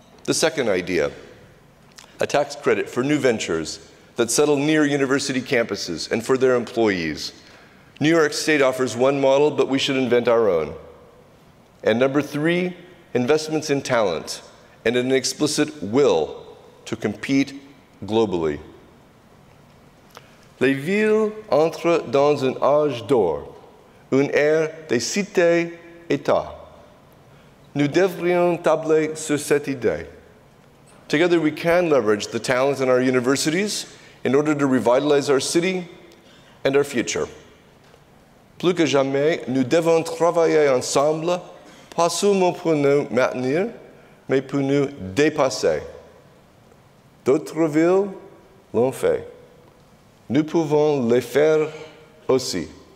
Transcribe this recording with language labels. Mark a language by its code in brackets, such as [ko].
[en] The second idea, a tax credit for new ventures that settle near university campuses and for their employees. New York State offers one model, but we should invent our own. And number three, investments in talent and an explicit will to compete globally. [fr] Les villes entrent dans un âge d'or, une ère des cités-États. Nous devrions tabler sur cette idée. [en] Together we can leverage the talent in our universities in order to revitalize our city and our future. [fr] Plus que jamais, nous devons travailler ensemble, pas seulement pour nous maintenir, mais pour nous dépasser. D'autres villes l'ont fait. Nous pouvons le faire aussi.